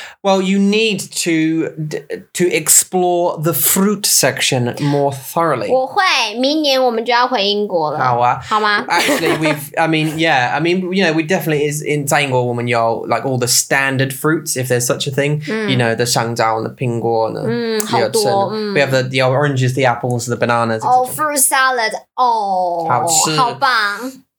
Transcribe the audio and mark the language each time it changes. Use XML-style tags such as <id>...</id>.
<en>Well, you need to explore the fruit section more thoroughly.</en> <zh>我会，明年我们就要回英国了。好啊。好吗？</zh> <en>Actually, you know, we definitely, is in</en> <zh>在英国我们有</zh> <en>like all the standard fruits, if there's such a thing.、嗯、 you know, the 香蕉and the 苹果and the</en> <zh>好多、嗯、</zh> <en>We have the oranges, the apples, the bananas. Oh, fruit salad. Oh,</en> <zh>好吃。好棒。</zh>